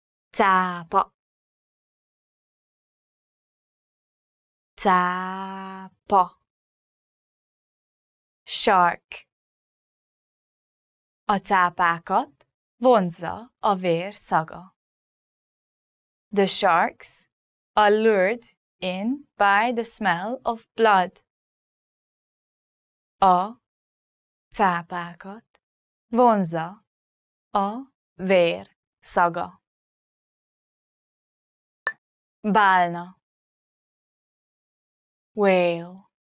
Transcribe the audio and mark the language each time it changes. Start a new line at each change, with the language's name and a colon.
Hungarian: Cápa. Cápa.
English: Shark.
Hungarian: A cápákat vonzza a vér szaga.
English: The sharks are lured in by the smell of blood.
Hungarian: A cápákat vonzza a vér szaga. Bálna.
English: Whale.